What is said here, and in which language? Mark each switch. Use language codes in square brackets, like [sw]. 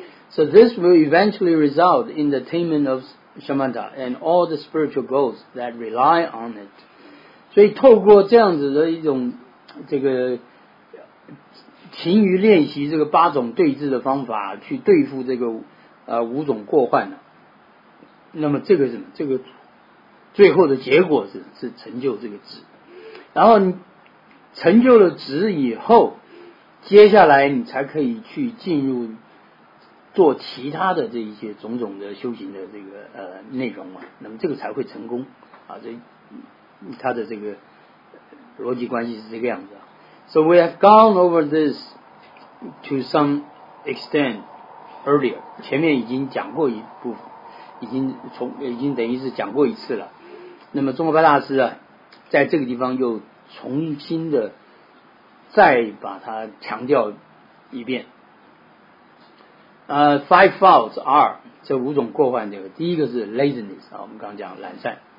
[en] So this will eventually result in the attainment of Shamatha and all the spiritual goals that rely on it. [zh] 所以透过这样子的一种这个勤于练习这个八种对治的方法去对付这个五种过患，那么这个什么，这个最后的结果是成就这个止。然后你成就了止以后，接下来你才可以去进入做其他的这一些种种的修行的这个内容嘛，那么这个才会成功啊。这它的这个逻辑关系是这个样子啊。 [en] So we have gone over this to some extent earlier. [zh] 前面已经讲过一部分，已经等于是讲过一次了。那么中国白大师啊，在这个地方又重新的再把它强调一遍。 [en] Five faults are [zh] 这五种过患，这个第一个是 laziness 啊，我们刚刚讲懒散。